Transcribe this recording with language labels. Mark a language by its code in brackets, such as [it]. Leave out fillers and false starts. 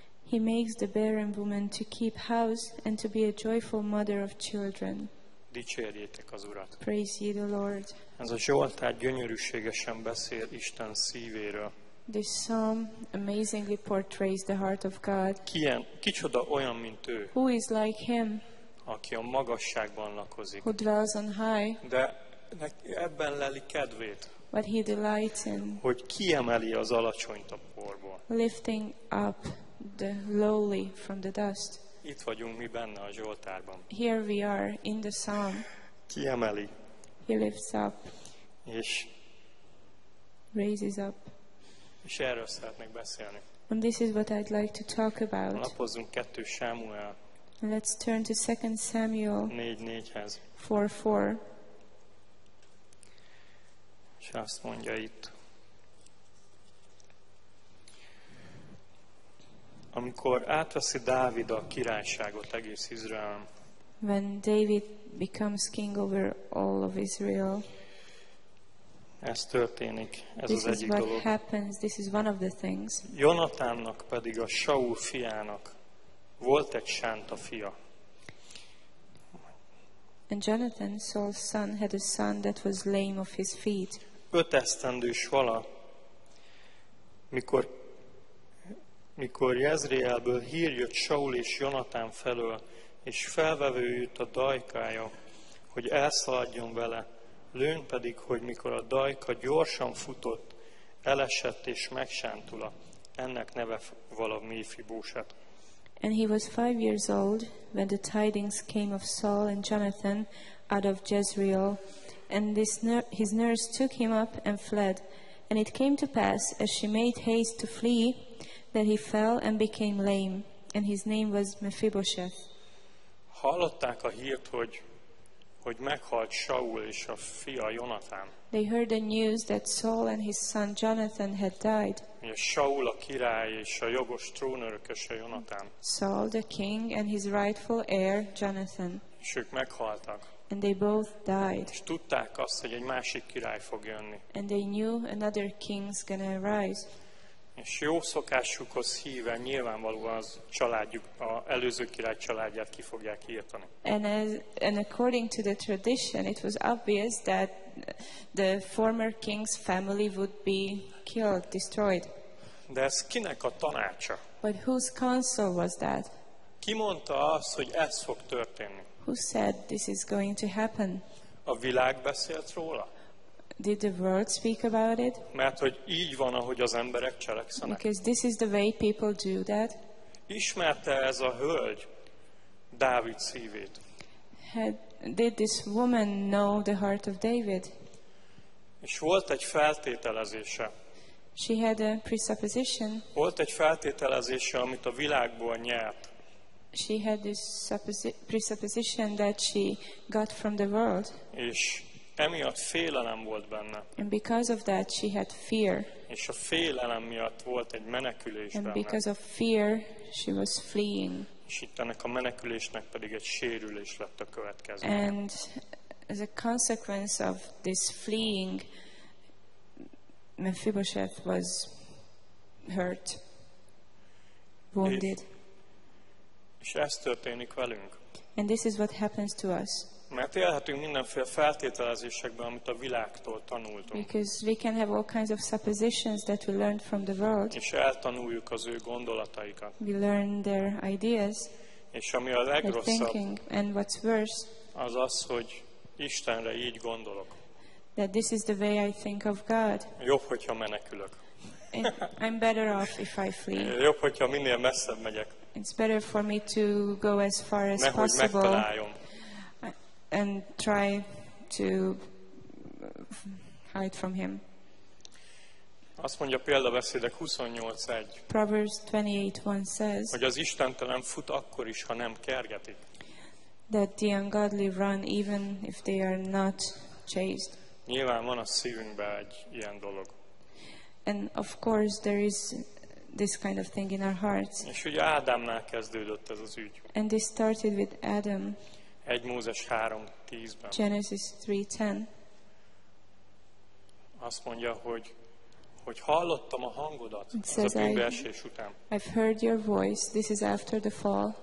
[en] He makes the barren woman to keep house and to be a joyful mother of children. [hu] Dicsérjétek az Urat. [en] Praise ye the Lord. [hu] Ez a Zsoltár gyönyörűségesen beszél Isten szívéről. [en] This psalm amazingly portrays the heart of God. [hu] Kicsoda olyan, mint ő. [en] Who is like him? [hu] Aki a magasságban lakozik. [en] Who dwells on high. [hu] De ebben leli kedvét. [en] But he delights in. [hu] Hogy kiemeli az alacsonyt a porból. [en] Lifting up the lowly from the dust. [hu] Itt vagyunk mi benne a Zsoltárban. [en] Here we are in the psalm. [hu] Kiemeli. [en] He lifts up. [hu] És [en] raises up. [hu] És erről szeretnék beszélni. [en] And this is what I'd like to talk about. [hu] Lapozzunk 2 Sámuel. [en] Let's turn to 2 Samuel. [hu] 4:4-hez. [en] 4:4. [hu] És azt mondja itt. Amikor átveszi Dávid a királyságot egész Izraelen. [en] When David becomes king over all of Israel. [hu] Ez történik, ez az egyik dolog. [en] This is what happens. This is one of the things. [hu] Jonatánnak pedig a Saul fiának volt egy sánta fia. [en] And Jonathan, Saul's son, had a son that was lame of his feet. [hu] 5 esztendős vala, mikor Jezreelből hír jött Saul és Jonatán felől, és felvevő jött a dajkája, hogy elszaladjon vele, lőn pedig, hogy mikor a dajka gyorsan futott, elesett és megsántula. Ennek neve vala Méfibóset. [en] And he was 5 years old when the tidings came of Saul and Jonathan out of Jezreel, and his nurse took him up and fled. And it came to pass, as she made haste to flee, that he fell and became lame, and his name was Mephibosheth. [hu] Hallották a hírt, hogy meghalt Saul és a fia Jonathan. [en] They heard the news that Saul and his son Jonathan had died. [hu] Ugye Saul a király és a jogos trónörökös a Jonathan. [en] Saul the king and his rightful heir Jonathan. [hu] És ők meghaltak. [en] And they both died. [hu] És tudták azt, hogy egy másik király fog jönni. [en] And they knew another king's gonna arise. [hu] És jó szokásukhoz híve nyilvánvalóan az családjuk, a előző király családját ki fogják írtani. [en] And according to the tradition, it was obvious that the former king's family would be killed, destroyed. [hu] De ez kinek a tanácsa? [en] But whose counsel was that? [hu] Ki mondta azt, hogy ez fog történni? [en] Who said this is going to happen? [hu] A világ beszélt róla? [en] Did the world speak about it? [hu] Mert hogy így van, ahogy az emberek cselekszenek. [en] Because this is the way people do that. [hu] Ismerte ez a hölgy Dávid szívét? [en] Did this woman know the heart of David? [hu] És volt egy feltételezése. [en] She had a presupposition. [hu] Volt egy feltételezése, amit a világból nyert. [en] She had this presupposition that she got from the world. [hu] És emiatt félelem volt benne. [en] And because of that she had fear. [hu] És a félelem miatt volt egy menekülés [en] and [hu] benne. [en] Because of fear she was fleeing. [hu] És itt ennek a menekülésnek pedig egy sérülés lett a következő. [en] And as a consequence of this fleeing, Mephibosheth was hurt, wounded. [hu] És ez történik velünk. [en] And this is what happens to us. [hu] Mert élhetünk mindenféle feltételezésekben, amit a világtól tanultunk. [en] Because we can have all kinds of suppositions that we learned from the world. [hu] És eltanuljuk az ő gondolataikat. [en] We learn their ideas. [hu] És ami a legrosszabb, [en] thinking, and what's worse, [hu] az az, hogy Istenre így gondolok. [en] That this is the way I think of God. [hu] Jobb, hogyha menekülök. [en] I'm better off if I flee. [hu] Jobb, hogyha minél messzebb megyek. [en] It's better for me to go as far as possible. [hu] Nehogy megtaláljon. [en] And try to hide from him. [hu] Azt mondja példabeszédek 28:1. [en] Proverbs 28:1 says. [hu] Hogy az istentelen fut akkor is, ha nem kergetik. [en] that the ungodly run even if they are not chased. [hu] Nyilván van a szívünkben egy ilyen dolog. [en] And of course there is this kind of thing in our hearts. [hu] És ugye Ádámnál kezdődött ez az ügy. [en] And this started with Adam. [hu] 1 Mózes 3:10-ben. [en] Genesis 3:10. [hu] Azt mondja, hogy hallottam a hangodat, ez a bűnbeesés után. [en] I've heard your voice. This is after the fall.